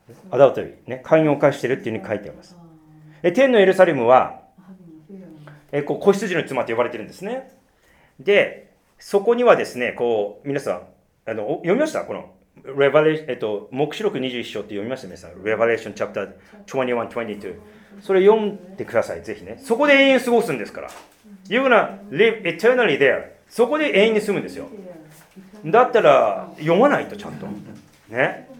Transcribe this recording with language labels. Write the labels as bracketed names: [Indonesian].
[Japanese] アダウトリーね、寛容を犯しているというふうに書いてあります。天のエルサレムは子羊の妻と呼ばれているんですね。でそこにはですね、こう皆さん読みました、このレバレーション、黙示録21章って読みました、皆さん。レバレーションチャプター21-22、それ読んでくださいぜひね。そこで永遠過ごすんですから。 [English] You're gonna live eternally there. [Japanese] そこで永遠に住むんですよ。だったら読まないと、ちゃんと。ね。